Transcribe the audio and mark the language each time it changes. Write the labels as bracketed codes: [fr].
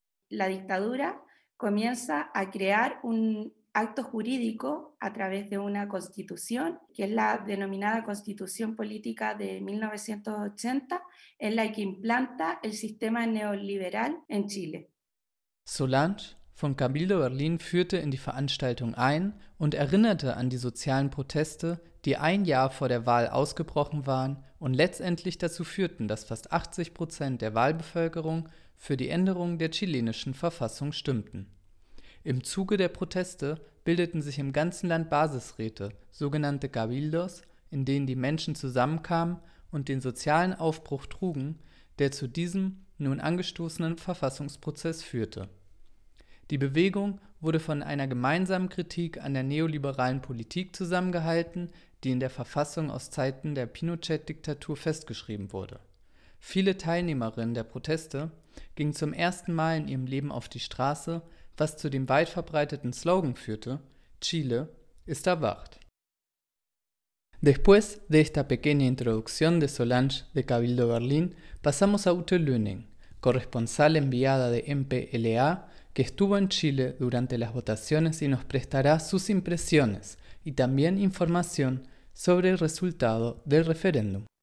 [es] La dictadura comienza a crear un acto jurídico a través de una constitución, que es la denominada Constitución Política de 1980, en la que implanta el sistema neoliberal en Chile. [de] Solange von Cabildo Berlin führte in die Veranstaltung ein und erinnerte an die sozialen Proteste, die ein Jahr vor der Wahl ausgebrochen waren und letztendlich dazu führten, dass fast 80% der Wahlbevölkerung für die Änderung der chilenischen Verfassung stimmten. Im Zuge der Proteste bildeten sich im ganzen Land Basisräte, sogenannte Cabildos, in denen die Menschen zusammenkamen und den sozialen Aufbruch trugen, der zu diesem nun angestoßenen Verfassungsprozess führte. Die Bewegung wurde von einer gemeinsamen Kritik an der neoliberalen Politik zusammengehalten, die in der Verfassung aus Zeiten der Pinochet-Diktatur festgeschrieben wurde. Viele Teilnehmerinnen der Proteste gingen zum ersten Mal in ihrem Leben auf die Straße, was zu dem weit verbreiteten Slogan führte, Chile ist erwacht. [es] Después de esta pequeña introducción de Solange de Cabildo Berlín, pasamos a Ute Löning, corresponsal enviada de MPLA, que estuvo en Chile durante las votaciones y nos prestará sus impresiones y también información sobre el resultado del referéndum.